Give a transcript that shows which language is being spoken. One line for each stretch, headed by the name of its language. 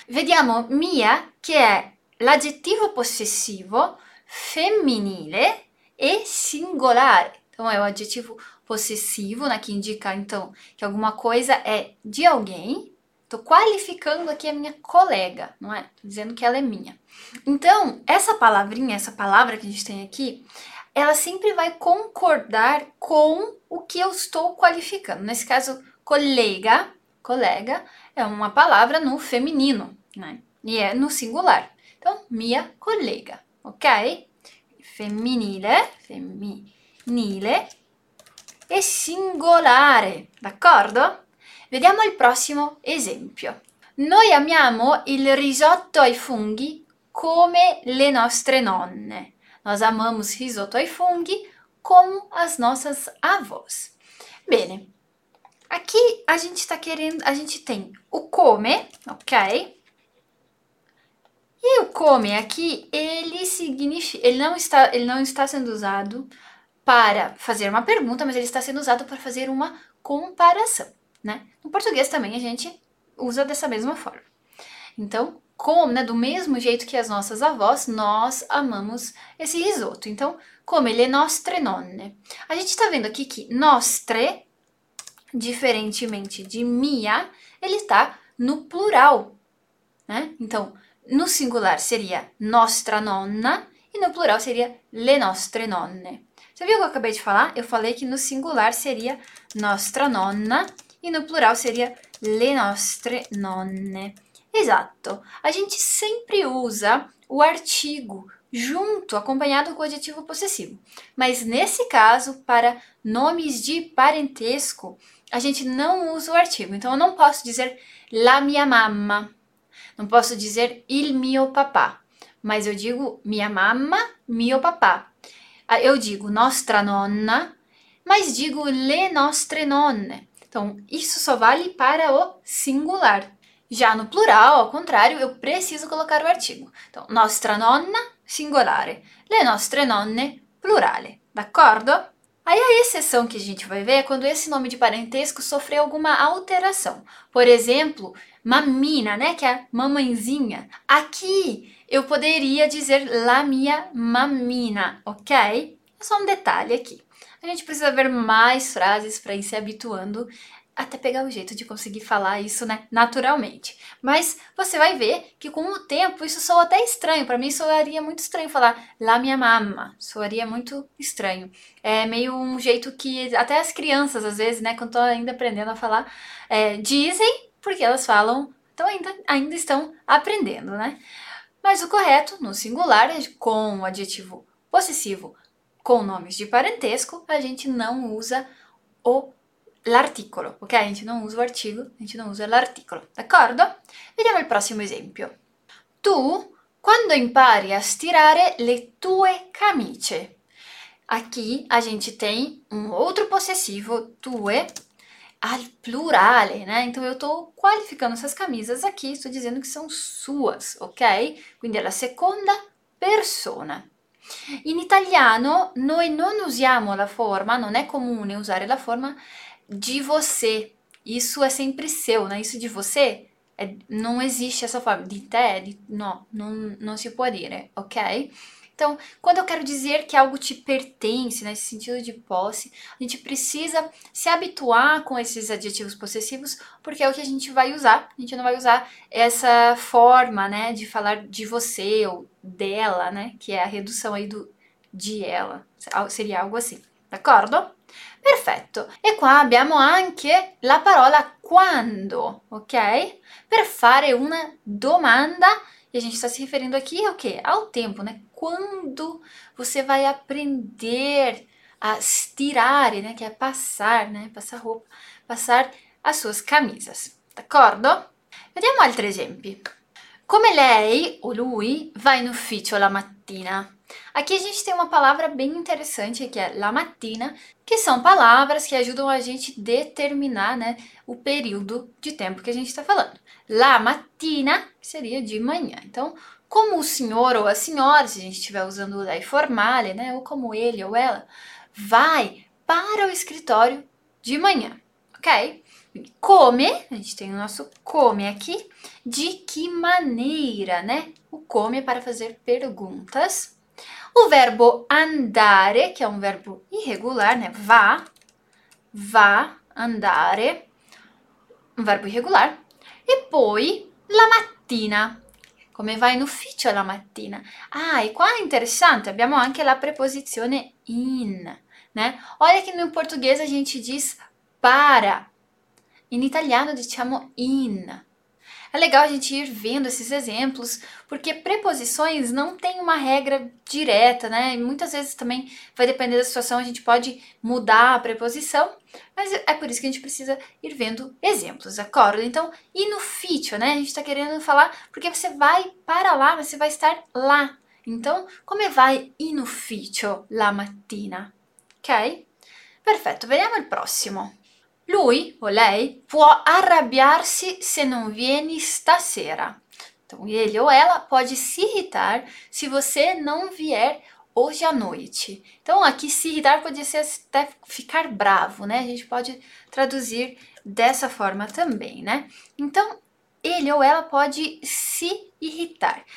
Italian: Vediamo mia, che è l'aggettivo possessivo femminile e singolare.
Portuguese: Então,
Italian: è un aggettivo possessivo, né?
Portuguese: Que indica, então,
Italian: che
Portuguese: alguma coisa
Italian: è di
Portuguese: alguém. Tô qualificando aqui a minha colega, não é? Tô dizendo que ela é minha. Então, essa palavrinha, essa palavra que a gente tem aqui, ela sempre vai concordar com o que eu estou qualificando. Nesse caso, colega, colega é uma palavra no feminino, né? E é no singular. Então, minha colega, ok?
Italian: Femminile, femminile e singolare, d'accordo? Vediamo il prossimo esempio. Noi amiamo il risotto ai funghi come le nostre nonne.
Portuguese: Nós amamos
Italian: risotto ai funghi
Portuguese: como as nossas avós. Bene, aqui a gente tem o
Italian: come,
Portuguese: ok? E o come aqui, ele não está sendo usado para fazer uma pergunta, mas ele está sendo usado para fazer uma comparação. Né? No português também a gente usa dessa mesma forma. Então, como, né, do mesmo jeito que as nossas avós, nós amamos esse risoto. Então,
Italian: come le nostre nonne.
Portuguese: A gente está vendo aqui que nostre, diferentemente de mia, ele está no plural, né? Então, no singular seria
Italian: nostra nonna
Portuguese: e no plural seria
Italian: le nostre nonne.
Portuguese: Você viu o que eu acabei de falar? Eu falei que no singular seria
Italian: nostra nonna.
Portuguese: E no plural seria
Italian: le nostre nonne. Esatto.
Portuguese: A gente sempre usa o artigo junto, acompanhado com o adjetivo possessivo. Mas nesse caso, para nomes de parentesco, a gente não usa o artigo. Então, eu não posso dizer
Italian: la mia mamma.
Portuguese: Não posso dizer
Italian: il mio papà.
Portuguese: Mas eu digo
Italian: mia mamma, mio papà.
Portuguese: Eu digo
Italian: nostra nonna,
Portuguese: mas digo
Italian: le nostre nonne.
Portuguese: Então, isso só vale para o singular. Já no plural, ao contrário, eu preciso colocar o artigo. Então,
Italian: nostra nonna, singolare. Le nostre nonne, plurale. D'accordo?
Portuguese: Aí a exceção que a gente vai ver é quando esse nome de parentesco sofreu alguma alteração. Por exemplo, mammina, né? Que é mamãezinha. Aqui eu poderia dizer
Italian: la mia mammina,
Portuguese: ok? É só um detalhe aqui. A gente precisa ver mais frases para ir se habituando até pegar o jeito de conseguir falar isso, né, naturalmente. Mas você vai ver que com o tempo isso soa até estranho. Para mim soaria muito estranho falar
Italian: la mia mamma.
Portuguese: Soaria muito estranho. É meio um jeito que até as crianças às vezes, né, quando estão ainda aprendendo a falar, dizem porque elas falam. Então ainda estão aprendendo, né? Mas o correto no singular é com o adjetivo possessivo, com nomes de parentesco, a gente não usa o
Italian: l'articolo,
Portuguese: ok? A gente não usa o artigo, a gente não usa
Italian: l'articolo, d'accordo? Vediamo il prossimo esempio. Tu, quando impari a stirare le tue camicie?
Portuguese: Aqui a gente tem um outro possessivo,
Italian: tue, al plurale,
Portuguese: né? Então eu estou qualificando essas camisas aqui, estou dizendo que são suas, ok?
Italian: Quindi è la seconda persona. In italiano noi non usiamo la forma, non è comune usare la forma di você.
Portuguese: Isso
Italian: è sempre
Portuguese: seu, né? Isso di você
Italian: è, non esiste
Portuguese: essa forma.
Italian: Di te, di, no, non si può dire, ok?
Portuguese: Então, quando eu quero dizer que algo te pertence, né, nesse sentido de posse, a gente precisa se habituar com esses adjetivos possessivos, porque é o que a gente vai usar. A gente não vai usar essa forma, né, de falar de você ou dela, né, que é a redução aí do de ela. Seria algo assim.
Italian: D'accordo? Perfetto. E qua abbiamo anche la parola quando, ok? Per fare una domanda,
Portuguese: e a gente sta se riferindo aqui ao quê? Ao tempo, né? Quando você vai aprender a
Italian: stirare,
Portuguese: né, que é passar, né, passar roupa, passar as suas camisas.
Italian: D'accordo? Vediamo altri esempi. Come lei o lui va in ufficio la mattina?
Portuguese: Aqui a gente tem uma palavra bem interessante que é
Italian: la mattina,
Portuguese: que são palavras que ajudam a gente determinar, né, o período de tempo que a gente está falando.
Italian: La mattina
Portuguese: seria de manhã. Então, como o senhor ou a senhora, se a gente estiver usando o
Italian: lei formale,
Portuguese: né, ou como ele ou ela, vai para o escritório de manhã, ok? Come, a gente tem o nosso come aqui, de que maneira, né? O
Italian: come
Portuguese: é para fazer perguntas. O verbo andare, que é um verbo irregular, né?
Italian: Va, va, andare,
Portuguese: um verbo irregular.
Italian: E poi la mattina. Come vai in ufficio la mattina? Ah, e qua è interessante, abbiamo anche la preposizione in, né?
Portuguese: Olha
Italian: che in portoghese
Portuguese: a gente diz para.
Italian: In italiano diciamo in.
Portuguese: É legal a gente ir vendo esses exemplos, porque preposições não têm uma regra direta, né? E muitas vezes também vai depender da situação, a gente pode mudar a preposição, mas é por isso que a gente precisa ir vendo exemplos,
Italian: d'accordo?
Portuguese: Então,
Italian: in ufficio,
Portuguese: né? A gente está querendo falar porque você vai para lá, você vai estar lá. Então,
Italian: come vai in ufficio la mattina?
Portuguese: Ok?
Italian: Perfetto, vediamo il prossimo. Lui o lei può arrabbiarsi se non vieni stasera.
Portuguese: Então, ele ou ela pode se irritar se você não vier hoje à noite. Então, aqui se irritar pode ser até ficar bravo, né? A gente pode traduzir dessa forma também, né? Então, ele ou ela pode se irritar.